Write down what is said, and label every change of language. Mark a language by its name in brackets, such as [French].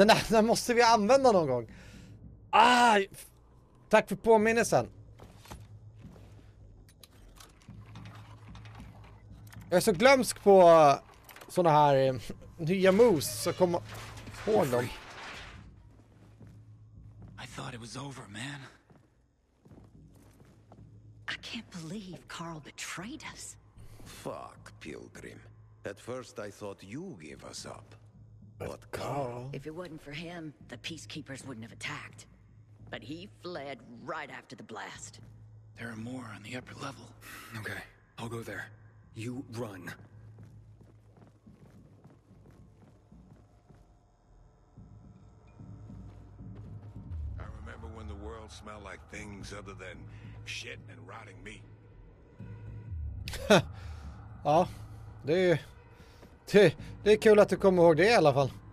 [Swedish] Den måste vi använda någon gång. Ah, tack för påminnelsen. Jag är så glömsk på såna här nya moves så kom på dem. [English] I thought it was over, man. I can't believe Carl betrayed us. Fuck, Pilgrim. At first I thought you gave us up. But Carl... If it wasn't for him, the peacekeepers wouldn't have attacked. But he fled right after the blast. There are more on the upper level. Okay, I'll go there. You run. I remember when the world smelled like things other than shit and rotting meat. [Swedish] Ja, det är ju Det är kul att du kommer ihåg det i alla fall.